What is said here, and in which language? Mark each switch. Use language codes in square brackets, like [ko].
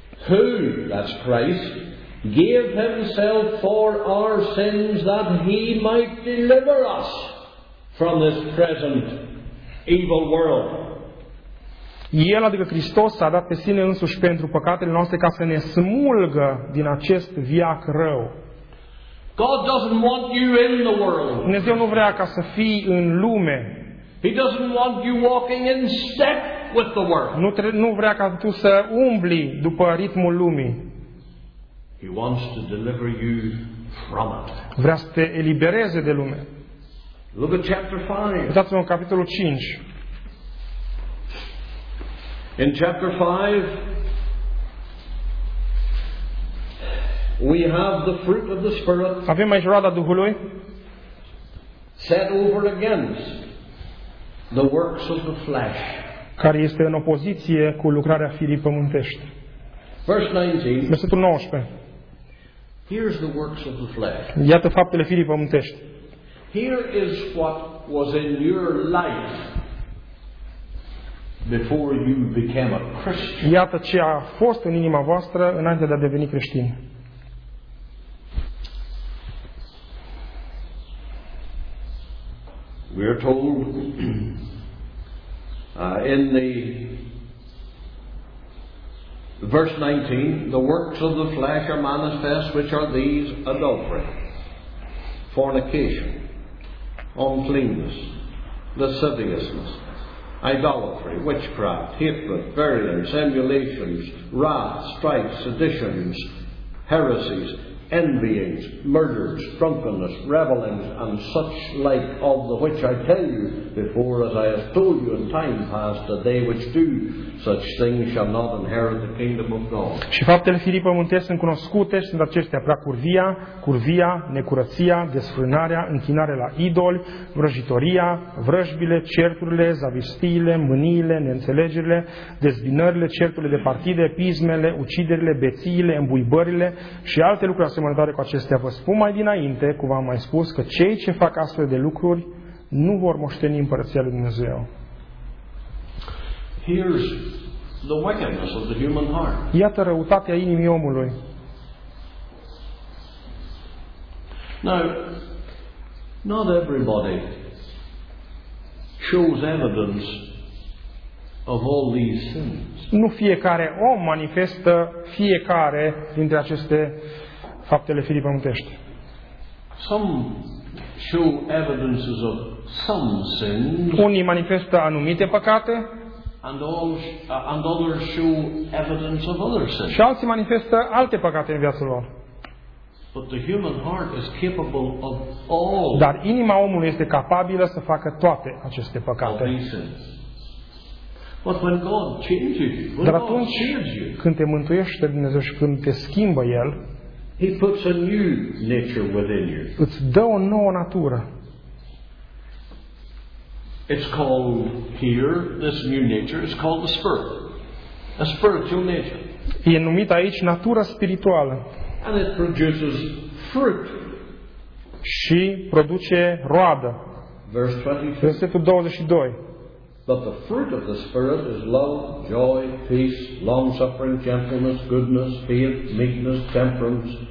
[en] Who, that's Christ, gave himself for our sins that he might deliver us from this present evil world. [ro] El, adică Hristos, a dat pe sine însuși pentru păcatele noastre ca să ne smulgă din acest viac rău. [en] God doesn't want you in the world. [ro] Dumnezeu nu vrea ca să fii în lume. [en] He doesn't want you walking in step with the world. [ro] Nu vrea ca tu să umbli după ritmul lumii. [en] He wants to deliver you from it. [ro] Vrea să te elibereze de lume. [en] Look at chapter 5. [ro] Uitați-vă în capitolul 5. [en] In chapter 5 we have the fruit of the Spirit. [ro] Avem aici roada Duhului. [en] Set over against the works of the flesh. [ro] Care este în opoziție cu lucrarea firii pământești. Versetul 19. [en] Here's the works of the flesh. [ro] Iată faptele firii pământești. [en] Here is what was in your life before you became a Christian. [ro] Iată ce a fost în inima voastră înainte de a deveni creștin. [en] We are told in the verse 19, the works of the flesh are manifest, which are these: adultery, fornication, uncleanness, lasciviousness, idolatry, witchcraft, hatred, variance, emulations, wrath, strife, seditions, heresies, envyings, murders, drunkenness, revelings, and such like, of the which I tell you before, as I have told you in time past, that they which do such things shall not inherit the kingdom of God. [ro] Și faptele firii pământești sunt cunoscute, sunt acestea: preacurvia, curvia, necurăția, desfrânarea, închinarea la idoli, vrăjitoria, vrăjbile, certurile, zavistiile, mâniile, neînțelegerile, dezbinările, certurile de partide, pismele, uciderile, bețiile, îmbuibările și alte lucruri asemănătoare cu acestea. Vă spun mai dinainte, cum v-am mai spus, că cei ce fac astfel de lucruri nu vor moșteni împărăția lui Dumnezeu. [en] Here's the wickedness of the human heart. [ro] Iată răutatea inimii omului. [en] Now, not everybody shows evidence of all these sins. [ro] Nu fiecare om manifestă fiecare dintre aceste faptele firii pământești. [en] Some show evidences of some sins. [ro] Unii manifestă anumite păcate. [en] And others show evidence of other sins. [ro] Și alții manifestă alte păcate în viața lor. [en] But the human heart is capable of all. [ro] Dar inima omului este capabilă să facă toate aceste păcate. [en] But when God changes you, when [ro] dar atunci când te mântuiește Dumnezeu și când te schimbă El, [en] He puts a new nature within you. [ro] Îți dă o nouă natură. [en] It's called here, this new nature, it's called the spirit. A spiritual nature. [ro] E numită aici natura spirituală. [en] And it produces fruit. [ro] Și produce roadă. [en] Verse 22. [ro] Versetul 22. [en] But the fruit of the Spirit is love, joy, peace, long-suffering, gentleness, goodness, faith, meekness, temperance.